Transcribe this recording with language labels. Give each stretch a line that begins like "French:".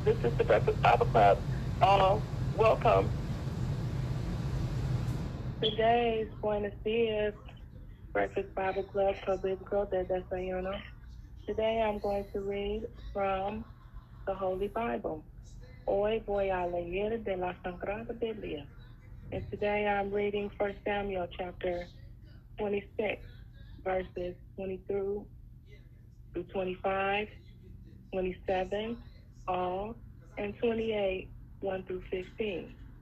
English: This is the Breakfast Bible Club. Welcome. Today is
Spanish: Buenos dias,
English: Breakfast Bible Club, Publico de Desayuno. Today I'm going to read from the Holy Bible.
Spanish: Hoy voy a leer de la Sagrada Biblia.
English: And today I'm reading 1 Samuel chapter 26, verses 22 through 25, 27, all, and 28, 1 through 15.